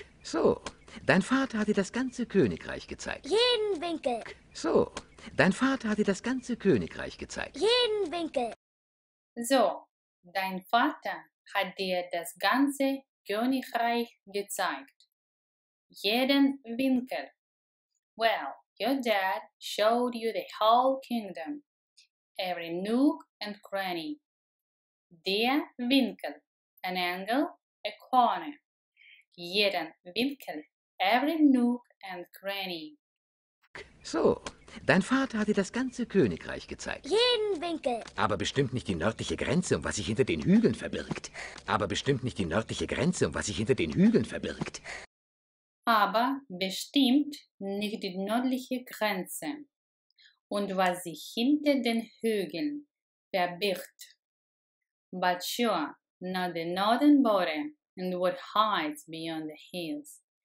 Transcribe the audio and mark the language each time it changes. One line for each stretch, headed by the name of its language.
German: So, dein Vater hat dir das ganze Königreich gezeigt. Jeden Winkel. So, dein Vater hat dir das ganze Königreich gezeigt. Jeden Winkel. So, dein Vater hat dir das ganze Königreich gezeigt. Jeden Winkel.
English: Well, your dad showed you the whole kingdom. Every nook and cranny.
German: Der Winkel.
English: An angle, a corner.
German: Jeden Winkel.
English: Every nook and cranny.
German: So, dein Vater hat dir das ganze Königreich gezeigt. Jeden Winkel. Aber bestimmt nicht die nördliche Grenze, um was sich hinter den Hügeln verbirgt. Aber bestimmt nicht die nördliche Grenze, um was sich hinter den Hügeln verbirgt. Aber bestimmt nicht die nördliche Grenze und was sich hinter den Hügeln verbirgt.
English: But sure, not the northern border and what hides beyond the hills.